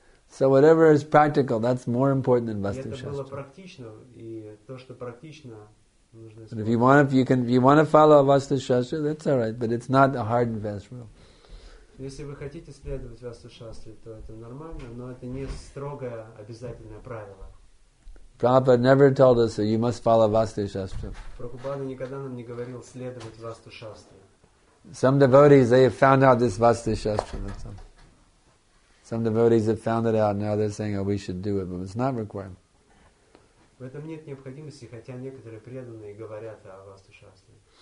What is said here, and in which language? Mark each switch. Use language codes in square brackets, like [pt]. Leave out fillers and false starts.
[en] So whatever is practical, that's more important than Vastu Shastra. [ru] Это было практично, и то, что практично, нужно. [en] But if you want to follow Vastu Shastra, that's all right. But it's not a hard and fast rule. [ru] Если вы хотите следовать Vastu Shastra, то это нормально, но это не строгое обязательное правило. [en] Prabhupada never told us that you must follow Vastu Shastra. [ru] Прабхупада никогда нам не говорил следовать Vastu Shastra. [en] Some devotees, they have found out this Vastu Shastra. That's all. Some devotees have found it out, now they're saying, oh, we should do it, but it's not required. [ru] В этом нет необходимости, хотя некоторые преданные говорят о Vastu Shastra.